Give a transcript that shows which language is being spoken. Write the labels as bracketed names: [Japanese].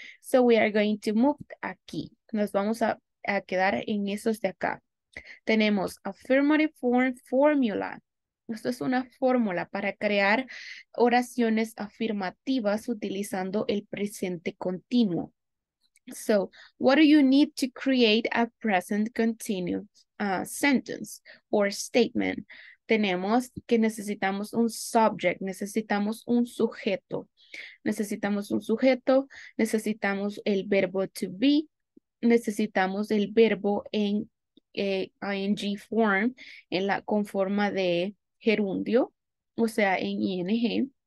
[English] So we are going to move [Spanish] aquí. Nos vamos a quedar en esos de acá. Tenemos affirmative form formula. Esto es una fórmula para crear oraciones afirmativas utilizando el presente continuo. [English] So, what do you need to create a present continuous sentence or statement? [Spanish] Tenemos que necesitamos un subject, necesitamos un sujeto. Necesitamos un sujeto, necesitamos el verbo to be, necesitamos el verbo en ing form, en la con forma de gerundio, o sea, en ing.